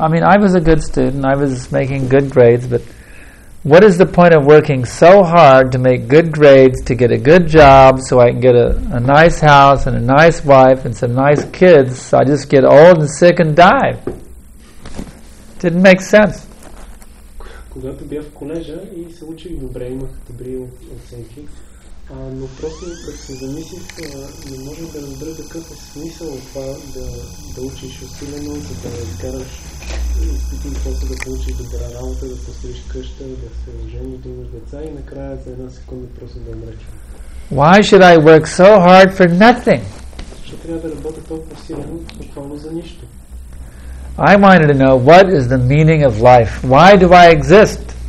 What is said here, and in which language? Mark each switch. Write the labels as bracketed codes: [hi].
[en] I mean, I was a good student, I was making good grades, but what is the point of working so hard to make good grades, to get a good job so I can get a nice house and a nice wife and some nice kids, so I just get old and sick and die? Didn't make sense. [bg] Когато бях в колежа и се учих добре, имах добри оценки, но просто като се замислих, не можех да разбера какъв е смисъл от това да учиш усилено, за да изкараш изпити и после да получиш добра работа, да построиш къща, да се ожениш, да имаш деца и накрая за една секунда просто да умреш. [en] Why should I work so hard for nothing? [bg] Защо трябва да работя толкова силно, буквално за нищо? [en] I wanted to know, what is the meaning of life? Why do I exist?